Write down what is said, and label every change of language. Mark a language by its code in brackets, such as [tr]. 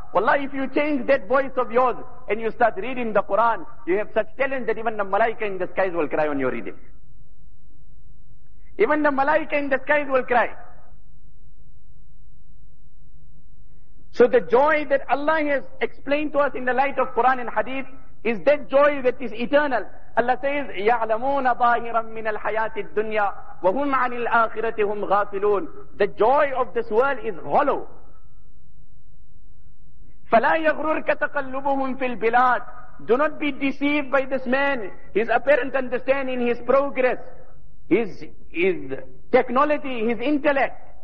[en] Wallah, if you change that voice of yours and you start reading the Quran, you have such talent that even the malaika in the skies will cry on your reading. Even the malaika in the skies will cry. So the joy that Allah has explained to us in the light of Quran and Hadith is that joy that is eternal. Allah says, [ar] يَعْلَمُونَ ظَاهِرًا مِّنَ الْحَيَاةِ الدُّنْيَا وَهُمْ عَنِ الْآخِرَةِ هُمْ غَافِلُونَ. [en] The joy of this world is hollow. [ar] فَلَا يَغْرُرْكَ تَقَلُّبُهُمْ فِي الْبِلَادِ. [en] Do not be deceived by this man, his apparent understanding, his progress, his technology, his intellect.